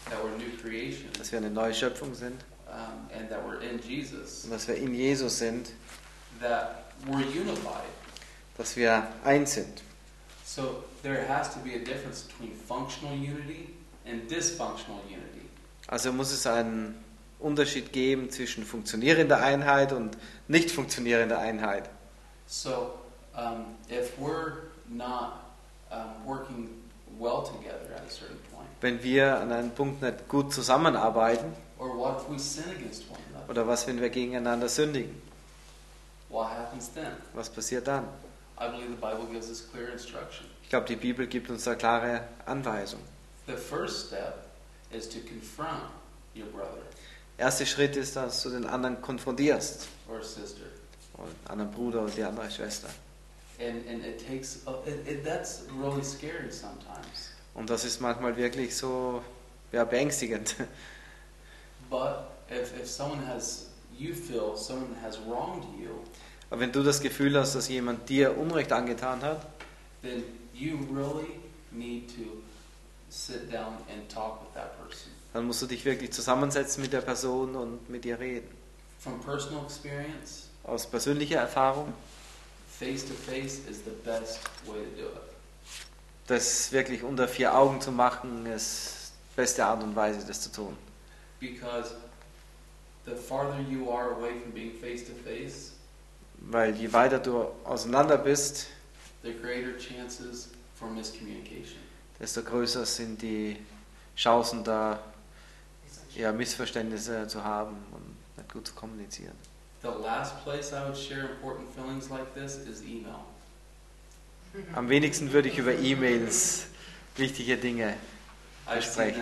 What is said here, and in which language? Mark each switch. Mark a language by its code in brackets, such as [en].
[en] That we're new creation. [de] Dass wir eine neue Schöpfung sind. [en] And that we're in Jesus. [de] Und dass wir in Jesus sind. [en] That we're unified. [de] Dass wir eins sind. [en] So there has to be a difference between functional unity and dysfunctional unity. [de] Also muss es einen Unterschied geben zwischen funktionierender Einheit und nicht funktionierender Einheit. [en] So if we're not working well together at a certain point. [de] Wenn wir an einem Punkt nicht gut zusammenarbeiten. [en] Or what if we sin against one another? [de] Oder was, wenn wir gegeneinander sündigen? [en] What happens then? [de] Was passiert dann? [en] I believe the Bible gives us clear instruction. [de] Ich glaube, die Bibel gibt uns da klare Anweisung. [en] The first step is to confront your brother. [de] Erster Schritt ist, dass du den anderen konfrontierst. [en] Or a sister. [de] Oder einen anderen Bruder oder die andere Schwester. [en] And it takes that's really scary sometimes. [de] Und das ist manchmal wirklich so, ja, beängstigend. [en] But if someone has you feel someone has wronged you. [de] Aber wenn du das Gefühl hast, dass jemand dir Unrecht angetan hat, [en] then you really need to sit down and talk with that person. [de] Dann musst du dich wirklich zusammensetzen mit der Person und mit ihr reden. [en] From personal experience, [de] aus persönlicher Erfahrung, [en] face to face is the best way to do it. [de] Das wirklich unter vier Augen zu machen, ist die beste Art und Weise, das zu tun. [en] Because the farther you are away from being face to face, [de] weil je weiter du auseinander bist, [en] the greater chances for miscommunication. [de] Desto größer sind die Chancen, da ja, Missverständnisse zu haben und nicht gut zu kommunizieren. [en] The last place I would share important feelings like this is email. [de] Am wenigsten würde ich über E-Mails wichtige Dinge besprechen.